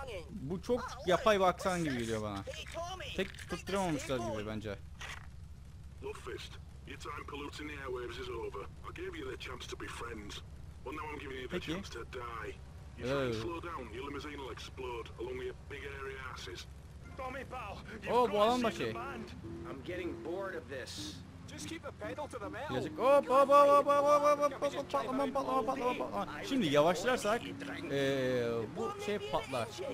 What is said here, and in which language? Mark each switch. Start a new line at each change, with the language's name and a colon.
Turkish: Bu çok yapay bir aksan gibi geliyor bana. Tek tutturamamışlar gibi bence.
English: Lovefist, your time polluting the airwaves is over. I gave you the chance to be friends. Well, now I'm giving you the chance to die. You try to slow down, your limousine will explode along with your big airy asses. Tommy pal, you've got to see the band. I'm getting bored of this. Just keep a pedal to the metal.
Turkish: Yazık. Hop hop hop hop hop hop hop hop hop hop patlama patlama patlama patlama. Şimdi yavaşlarsak bu şey patlar.